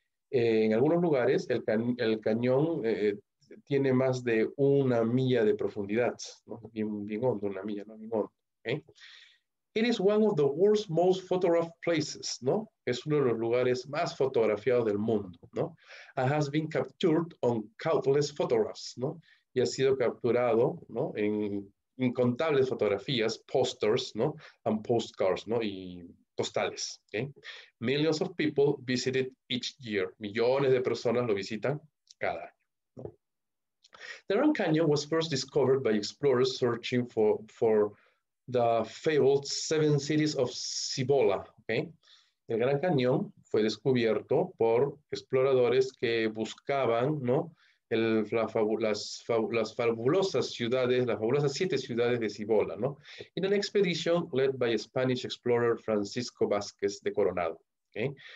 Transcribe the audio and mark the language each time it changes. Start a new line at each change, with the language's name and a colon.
Spanish: En algunos lugares, el cañón tiene más de una milla de profundidad, ¿no? Bien, bien hondo, una milla, ¿no? Bien hondo, ¿okay?
English: It is one of the world's most photographed places,
Spanish: ¿no? Es uno de los lugares más fotografiados del mundo, ¿no?
English: And has been captured on countless photographs, ¿no?
Spanish: Y ha sido capturado, ¿no? En incontables fotografías, posters, ¿no?
English: And postcards,
Spanish: ¿no? Y postales,
English: ¿okay? Millions of people visited each year.
Spanish: Millones de personas lo visitan cada año.
English: The Grand Canyon was first discovered by explorers searching for the fabled Seven Cities of Cibola. ¿Okay?
Spanish: El Gran Cañón fue descubierto por exploradores que buscaban, ¿no? Las fabulosas ciudades, las fabulosas siete ciudades de Cibola, ¿no?
English: In an expedition led by Spanish explorer Francisco Vázquez de Coronado, ¿okay?